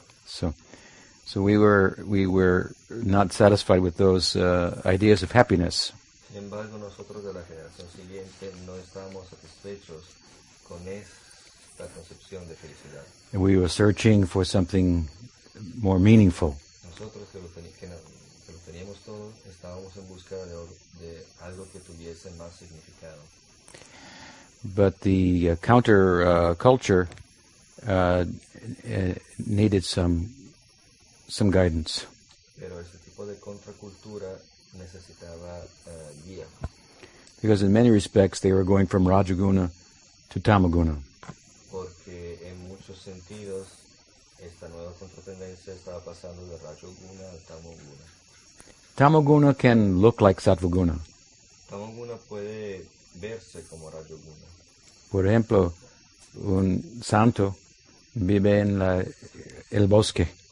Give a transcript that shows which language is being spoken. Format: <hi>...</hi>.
<en>So we were not satisfied with those ideas of happiness.</en> <es>Sin embargo, nosotros de la generación siguiente no estábamos satisfechos con esta concepción de felicidad.</es> <en>We were searching for something more meaningful.</en> <es>Nosotros que lo teníamos todo, estábamos en busca de algo que tuviese más significado.</es> <en>But the counter culture needed some guidance.</en> <es>Pero ese tipo de contracultura necesitaba guía.</es> <en>Because in many respects they were going from Rajaguna to Tamaguna.</en> <es>Porque en muchos sentidos esta nueva contratendencia estaba pasando de Rajaguna a Tamaguna.</es> <en>Tamaguna can look like Sattvaguna.</en> <es>Tamaguna puede verse como Rajaguna. Por ejemplo, un santo vive en el bosque.</es>